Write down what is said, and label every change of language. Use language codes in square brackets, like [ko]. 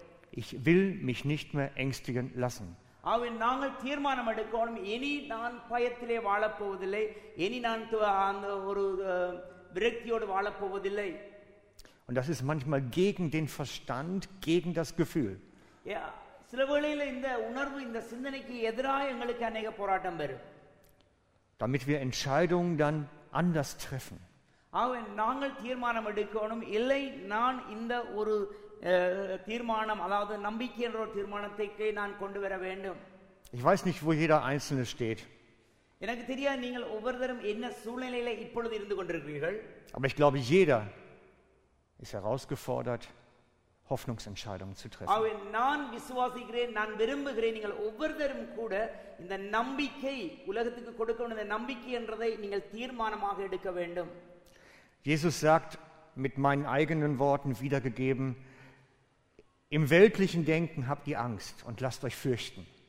[de] Ich will mich nicht mehr ängstigen lassen. [ta] நாங்கள் தீர்மானம் எடுக்கணும் இனி நான் பயத்திலே வாழப்போவதில்லை இனி நான் அந்த ஒரு விரக்தியோடு வாழப்போவதில்லை [de] Und das ist manchmal gegen den Verstand, gegen das Gefühl. [ta] சில வேளையில இந்த உணர்வு இந்த சிந்தனைக்கு எதிராக எங்களுக்கு அநேக போராட்டம் வரும் [de] Damit wir Entscheidungen dann anders treffen. [ta] நாங்கள் தீர்மானம் எடுக்கணும் இல்லை நான் இந்த ஒரு தீர்மானம் அதாவது நம்பிக்கை என்ற ஒரு தீர்மானத்தை நான் கொண்டு வர வேண்டும் [de] Ich weiß nicht wo jeder einzelne steht. [ta] எனக்கு தெரியாது நீங்கள் ஒவ்வொருவரும் என்ன சூழ்நிலையில் இப்பொழுது இருந்து கொண்டிருக்கிறீர்கள் [de] Aber ich glaube jeder ist herausgefordert Hoffnungsentscheidungen zu treffen. [ta] அவர் நான் விசுவாசிக்கிறேன் நான் விரும்புகிறேன் நீங்கள் ஒவ்வொருவரும் கூட இந்த நம்பிக்கை உலகத்துக்கு கொடுக்க வேண்டிய நம்பிக்கை என்றதை நீங்கள் தீர்மானமாக எடுக்க வேண்டும் [de] Jesus sagt mit meinen eigenen Worten wiedergegeben Im weltlichen Denken habt ihr Angst und lasst euch fürchten.